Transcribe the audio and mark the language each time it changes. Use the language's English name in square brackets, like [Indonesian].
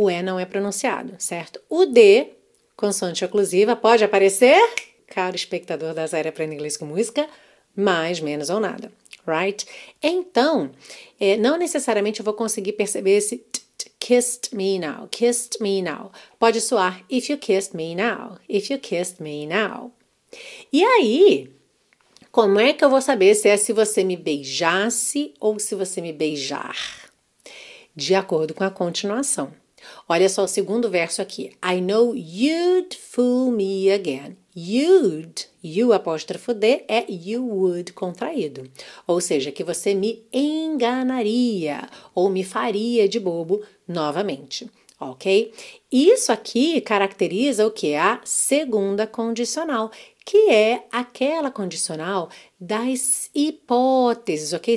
[Portuguese] O E não é pronunciado, certo? O D, consoante oclusiva, pode aparecer, caro espectador da série Aprenda Inglês com Música, mais, menos ou nada, right? Então, não necessariamente eu vou conseguir perceber esse [English] kissed me now, kissed me now. [Portuguese] Pode soar [English] if you kissed me now, if you kissed me now. [Portuguese] E aí, como é que eu vou saber se é se você me beijasse ou se você me beijar? De acordo com a continuação. Olha só o segundo verso aqui. [English] I know you'd fool me again. [Portuguese] You apóstrofo D é you would contraído. Ou seja, que você me enganaria ou me faria de bobo novamente. Ok? Isso aqui caracteriza o que? A segunda condicional, que é aquela condicional das hipóteses, ok?